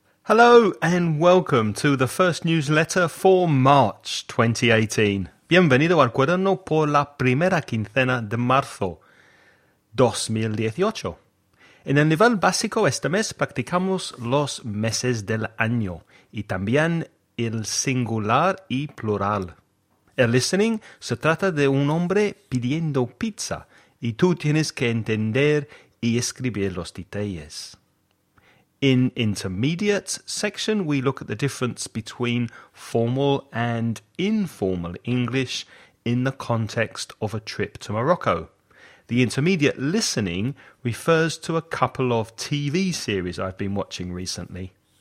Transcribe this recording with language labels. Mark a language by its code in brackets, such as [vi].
[en] Hello and welcome to the first newsletter for March 2018. [es] Bienvenido al cuaderno por la primera quincena de marzo 2018. En el nivel básico este mes practicamos los meses del año y también el singular y plural. El listening se trata de un hombre pidiendo pizza y tú tienes que entender y escribir los detalles. [en] In intermediate section, we look at the difference between formal and informal English in the context of a trip to Morocco. The intermediate listening refers to a couple of TV series I've been watching recently.